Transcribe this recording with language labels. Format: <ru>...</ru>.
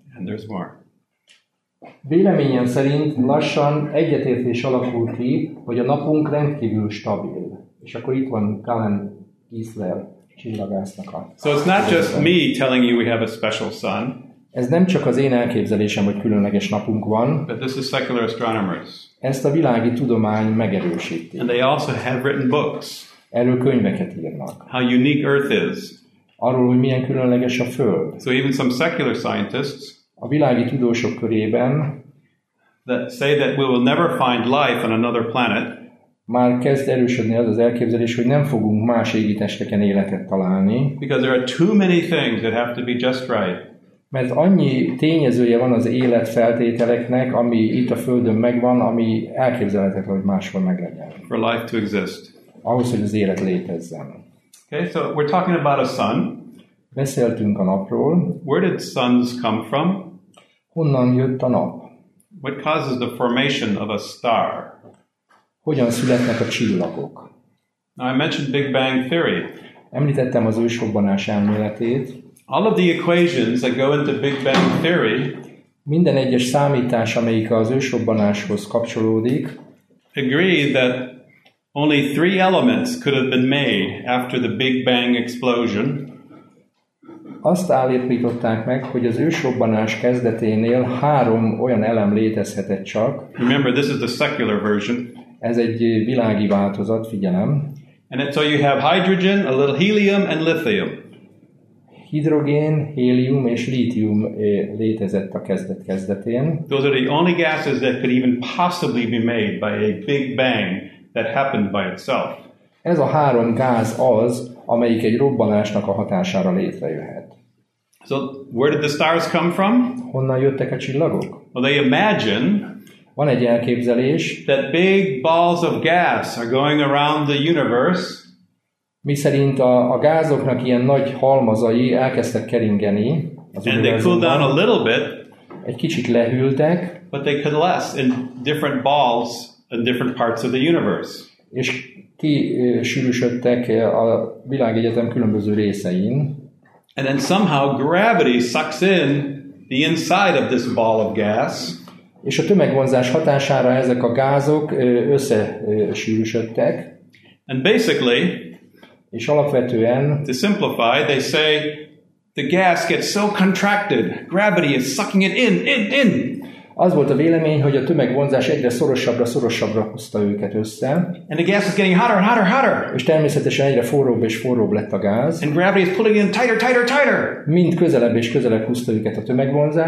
<en>And there's more.</en> <hu>Véleményem szerint lassan egyetértés alakul ki, hogy a napunk rendkívül stabil. És akkor itt van Cullen Gisler csillagásznak a...</hu> <en>So it's not just me telling you we have a special sun.</en> <hu>Ez nem csak az én elképzelésem, hogy különleges napunk van.</hu> <en>But this is secular astronomers.</en> <hu>Ezt a világi tudomány megerősíti.</hu> <en>And they also have written books.</en> <hu>Erről könyveket írnak.</hu> <en>How unique Earth is.</en> <hu>Arról, hogy milyen különleges a Föld.</hu> <en>So even some secular scientists,</en> <hu>a világi tudósok körében,</hu> <en>that say that we will never find life on another planet,</en> <hu>már kezd erősödni az az elképzelés, hogy nem fogunk más égitesteken életet találni.</hu> <en>Because there are too many things that have to be just right.</en> <hu>Mert annyi tényezője van az élet feltételeknek, ami itt a Földön megvan, ami elképzelhetetlen, hogy máshol meglegyen.</hu> <en>For life to exist.</en> <hu>Ahhoz, hogy az élet létezzen.</hu> <en>Okay, so we're talking about a sun.</en> <hu>Beszéltünk a napról.</hu> <en>Where did suns come from?</en> <hu>Honnan jött a nap?</hu> <en>What causes the formation of a star?</en> <hu>Hogyan születnek a csillagok?</hu> <en>Now I mentioned Big Bang Theory.</en> <hu>Említettem az ősrobbanás elméletét.</hu> <en>All of the equations that go into Big Bang Theory,</en> <hu>minden egyes számítás, amelyik az ősrobbanáshoz kapcsolódik,</hu> <en>agree that only three elements could have been made after the Big Bang explosion.</en> <hu>azt állították meg, hogy az ősrobbanás kezdeténél három olyan elem létezhetett csak.</hu> <en>Remember, this is the secular version.</en> <hu>Ez egy világi változat, figyelem.</hu> <en>And so you have hydrogen, a little helium and lithium.</en> <hu>Hidrogén, hélium és lítium létezett a kezdetén.</hu> <en>Those are the only gases that could even possibly be made by a big bang that happened by itself.</en> <hu>Ez a három gáz az, amelyik egy robbanásnak a hatására létrejöhet.</hu> <en>So where did the stars come from?</en> <hu>Honnan jöttek a csillagok?</hu> <en>Well, they imagine.</en> <hu>Van egy elképzelés.</hu> <en>That big balls of gas are going around the universe.</en> <hu>Miszerint a gázoknak ilyen nagy halmazai elkezdtek keringeni.</hu> <en>And they cooled down a little bit.</en> <hu>Egy kicsit lehűltek.</hu> <en>But they coalesced in different balls in different parts of the universe.</en> <hu>És kisűrűsödtek a világegyetem különböző részein.</hu> <en>And then somehow gravity sucks in the inside of this ball of gas.</en> <hu>És a tömegvonzás hatására ezek a gázok összesűrűsödtek.</hu> <en>And basically,</en> <hu>és alapvetően,</hu> <en>to simplify, they say the gas gets so contracted, gravity is sucking it in.</en> <hu>Az volt a vélemény, hogy a tömegvonzás egyre szorosabbra húzta őket össze.</hu> <en>And the gas is getting hotter.</en> <hu>És természetesen egyre forróbb és forróbb lett a gáz.</hu> <en>And gravity is pulling in tighter.</en> <hu>Mind közelebb és közelebb húzta őket a tömegvonzás.</hu>